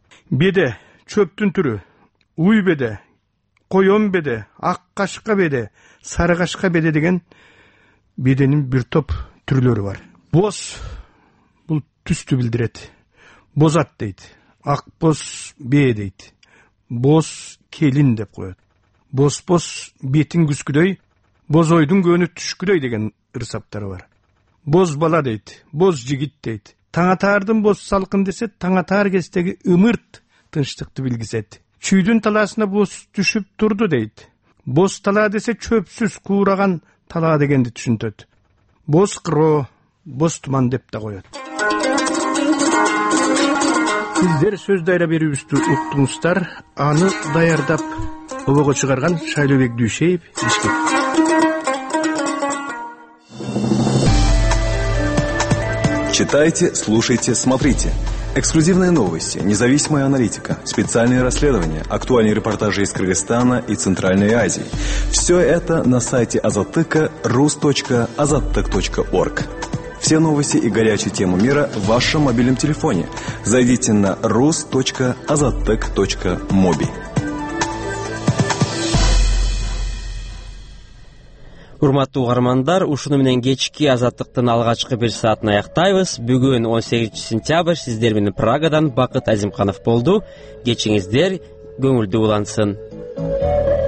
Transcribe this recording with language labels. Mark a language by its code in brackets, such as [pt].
[ky] Беде, чөптүн түрү, уй беде, коён беде, ак кашка беде, сары кашка беде деген беденин бир топ түрлөрү бар. Боз бул түстү билдирет. Боз ат дейт. Ак боз бээ дейт. Боз келин деп коет. Боз боз бетин күзгүдөй, боз ойдун көнү түшкүдөй деген ырсаптары бар. Боз бала дейт, боз жигит дейт. Таң атаардын боз салкын десе, таң атаар кездеги ымырт тынчтыкты билгизет. Чүйдүн талаасына боз түшүп турду дейт. Боз талаа десе чөпсүз куураган талаа дегенди түшүнтөт. Боз кыроо, боз туман деп да коет. Сиздер сөз дайра берүүбүздү уктуңуздар. Аны даярдап обого чыгарган Шайлообек Дүйшеев Бишкек. [ru] Читайте, слушайте, смотрите. Эксклюзивные новости, независимая аналитика, специальные расследования, актуальные репортажи из Кыргызстана и Центральной Азии. Все это на сайте Азаттыка rus.azattyk.org. Все новости и горячие темы мира в вашем мобильном телефоне. Зайдите на rus.azattyk.mobi. [ky] Урматтуу кагармандар, ушуну менен кечки азаттыктын алгачкы бир саатын аяктайбыз. Бүгүн 18 сентябрь, сиздер менен Прагадан Бакыт Азимканов болду. Кечиңиздер көңүлдүү улансын.